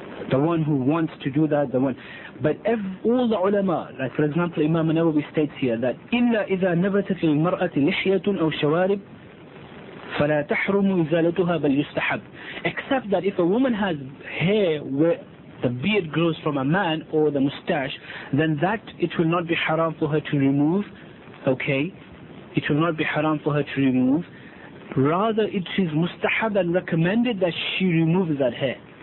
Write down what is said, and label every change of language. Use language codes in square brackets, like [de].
[en] The one who wants to do that, the one. But all the ulama, like for example, Imam Nawawi states here that [ar] إِلَّا إِذَا نَبَتَ فِي الْمَرْأَةِ لِحْيَةٌ أَوْ شَوَارِبٌ فَلَا تَحْرُمُ إِزَالَتُهَا بَلْ يُسْتَحَبُ. [en] Except that if a woman has hair where the beard grows from a man or the mustache, then that it will not be haram for her to remove. Okay, it will not be haram for her to remove. Rather, it is mustahab and recommended that she removes that hair.